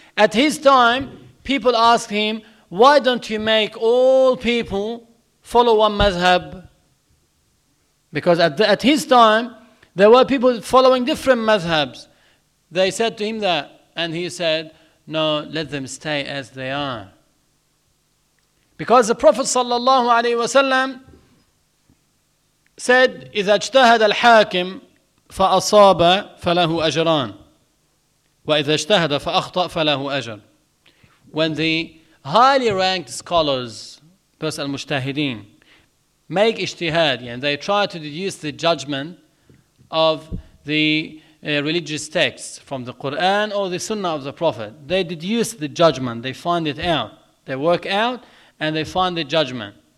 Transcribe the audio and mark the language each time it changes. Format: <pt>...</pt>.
<en>At his time, people asked him, why don't you make all people follow one mazhab? Because at his time, there were people following different mazhabs. They said to him that, and he said, no, let them stay as they are. Because the Prophet sallallahu alaihi wasallam said,</en> <ar>إِذَا اجْتَهَدَ الْحَاكِمْ فَأَصَابَ فَلَهُ أَجْرًا وَإِذَا اجْتَهَدَ فَأَخْطَأَ فَلَهُ أَجْرًا.</ar> <en>When the highly ranked scholars, those al-mujtahideen, make ijtihad, and they try to deduce the judgment of the religious texts from the Quran or the Sunnah of the Prophet, they deduce the judgment, they find it out, they work out, and they find the judgment.</en>